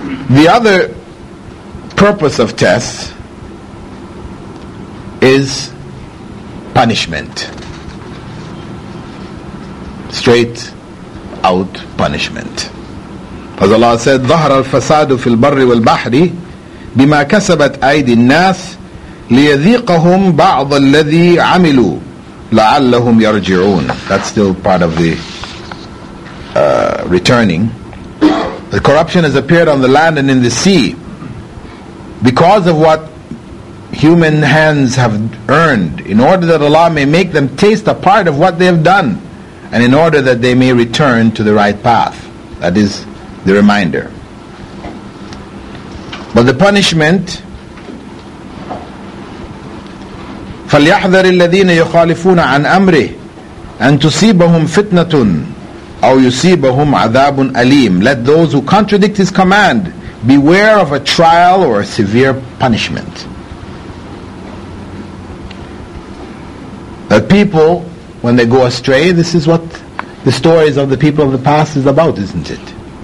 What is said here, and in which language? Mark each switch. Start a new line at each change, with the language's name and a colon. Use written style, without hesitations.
English: The other purpose of tests is punishment. Straight out punishment. As Allah said,
Arabic: ظَهْرَ الْفَسَادُ فِي الْبَرِّ وَالْبَحْرِ بِمَا كَسَبَتْ أَيْدِ النَّاسِ لِيَذِيقَهُمْ بَعْضَ الَّذِي عَمِلُوا لَعَلَّهُمْ يَرْجِعُونَ.
English: That's still part of the returning. The corruption has appeared on the land and in the sea because of what human hands have earned, in order that Allah may make them taste a part of what they have done, and in order that they may return to the right path. That is the reminder. But the punishment,
Arabic: فَلْيَحْذَرِ الَّذِينَ يُخَالِفُونَ عَنْ أَمْرِهِ أَن تُصِيبَهُمْ فِتْنَةٌ أَوْ يُصِيبَهُمْ عَذَابٌ أَلِيمٌ.
English: Let those who contradict his command beware of a trial or a severe punishment. The people, when they go astray, this is what the stories of the people of the past is about, isn't it?